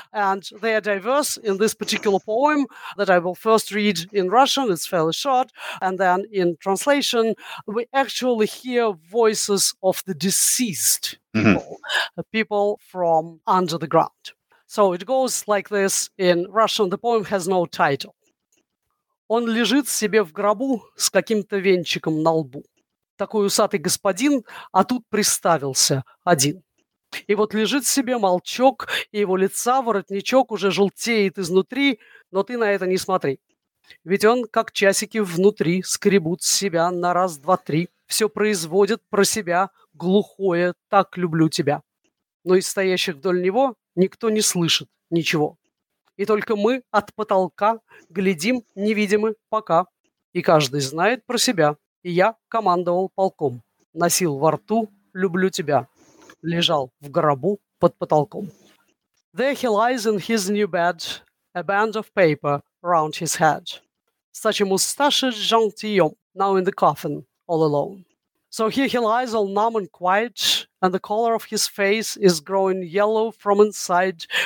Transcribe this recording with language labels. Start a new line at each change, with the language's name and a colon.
English: And they are diverse in this particular poem that I will first read in Russian. It's fairly short. And then in translation, we actually hear voices of the deceased people from under the ground. So it goes like this in Russian. The poem has no title.
Russian: Он лежит себе в гробу с каким-то венчиком на лбу. Такой усатый господин, а тут приставился один. И вот лежит себе молчок, и его лица воротничок уже желтеет изнутри, но ты на это не смотри. Ведь он, как часики внутри, скребут себя на раз, два, три. Все производит про себя глухое «так люблю тебя». Но из стоящих вдоль него никто не слышит ничего. И только мы от потолка глядим невидимы пока. И каждый знает про себя. И я командовал полком. Носил во рту «люблю тебя». Лежал в гробу под потолком.
English: There he lies in his new bed, a band of paper round his head. Such a mustache gentilhomme, now in the coffin, all alone. So here he lies all numb and quiet, and the color of his face is growing yellow from inside.